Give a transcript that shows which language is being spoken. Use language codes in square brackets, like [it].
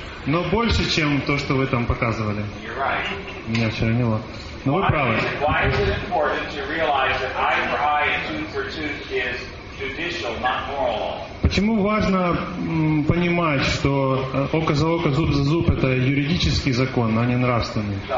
[ru] Но больше, чем то, что вы там показывали. [en] You're right. [ru] Меня очернило. Но [en] why [ru] вы правы. [en] Why is it important to realize that eye for eye and tooth for tooth is judicial, not moral? [ru] Почему важно понимать, что око за око, зуб за зуб — это юридический закон, а не нравственный?